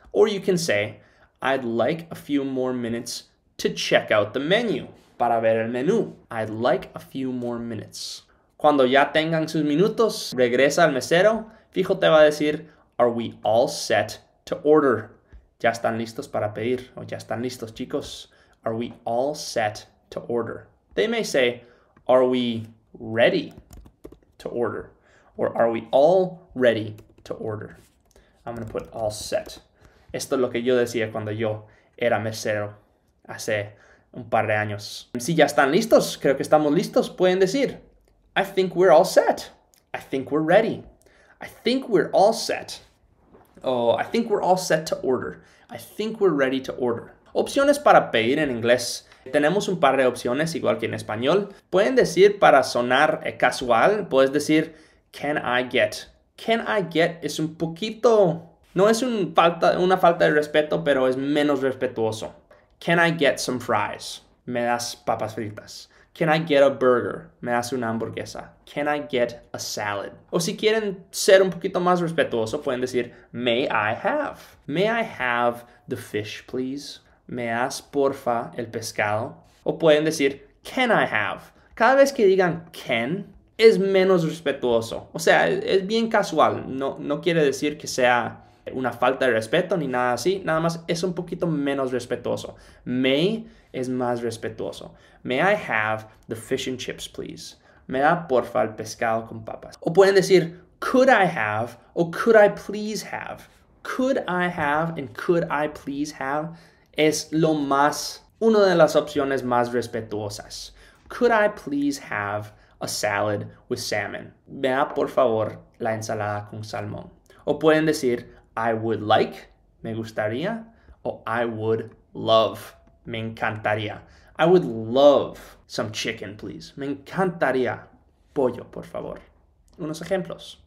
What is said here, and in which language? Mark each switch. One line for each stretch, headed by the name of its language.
English: Or you can say, I'd like a few more minutes to check out the menu.
Spanish: Para ver el menú.
English: I'd like a few more minutes.
Spanish: Cuando ya tengan sus minutos, regresa al mesero. Fijo te va a decir,
English: Are we all set to order?
Spanish: Ya están listos para pedir. O ya están listos, chicos.
English: Are we all set to order? They may say, Are we ready to order? Or are we all ready to order? I'm going to put all set.
Spanish: Esto es lo que yo decía cuando yo era mesero hace un par de años. Si ya están listos, creo que estamos listos, pueden decir,
English: I think we're all set. I think we're ready. I think we're all set. Oh, I think we're all set to order. I think we're ready to order.
Spanish: Opciones para pedir en inglés. Tenemos un par de opciones, igual que en español. Pueden decir para sonar casual, puedes decir,
English: Can I get? Can I get
Spanish: es un poquito. No es una falta de respeto, pero es menos respetuoso.
English: Can I get some fries?
Spanish: Me das papas fritas.
English: Can I get a burger?
Spanish: Me das una hamburguesa.
English: Can I get a salad?
Spanish: O si quieren ser un poquito más respetuoso, pueden decir,
English: May I have? May I have the fish, please?
Spanish: Me das porfa el pescado. O pueden decir,
English: Can I have?
Spanish: Cada vez que digan can, es menos respetuoso. O sea, es bien casual. No, no quiere decir que sea una falta de respeto ni nada así, nada más es un poquito menos respetuoso. May es más respetuoso.
English: May I have the fish and chips, please?
Spanish: Me da porfa el pescado con papas. O pueden decir,
English: could I have
Spanish: o
English: could I please have? Could I have and could I please have
Spanish: es lo más, una de las opciones más respetuosas.
English: Could I please have a salad with salmon?
Spanish: Me da por favor la ensalada con salmón. O pueden decir,
English: I would like,
Spanish: me gustaría, o
English: I would love,
Spanish: me encantaría.
English: I would love some chicken, please.
Spanish: Me encantaría pollo, por favor. Unos ejemplos.